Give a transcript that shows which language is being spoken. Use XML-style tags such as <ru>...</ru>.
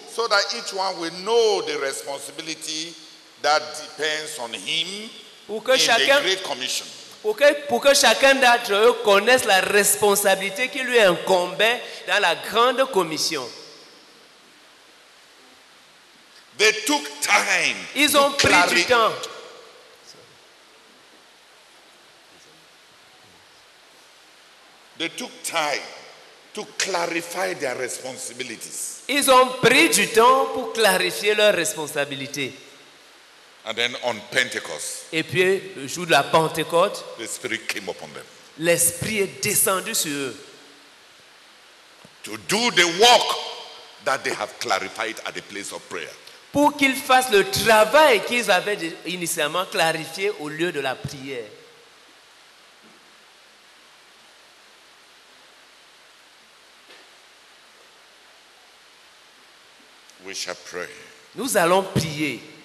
<en>So that each one will know the responsibility that depends on him in the Great Commission.</en> <fr>Pour que chacun d'entre eux connaisse la responsabilité qui lui incombe dans la grande commission.</fr> <en>They took time.</en> <fr>Ils ont pris du temps.</fr> <en>They took time to clarify their responsibilities.</en> <fr>Ils ont pris du temps pour clarifier leurs responsabilités.</fr> <en>And then on Pentecost.</en> <fr>Et puis le jour de la Pentecôte,</fr> <en>the Spirit came upon them.</en> <fr>L'Esprit est descendu sur eux.</fr> <en>To do the work that they have clarified at the place of prayer.</en> <fr>Pour qu'ils fassent le travail qu'ils avaient initialement clarifié au lieu de la prière.</fr> <en>We shall pray.</en> <fr>Nous allons prier.</fr>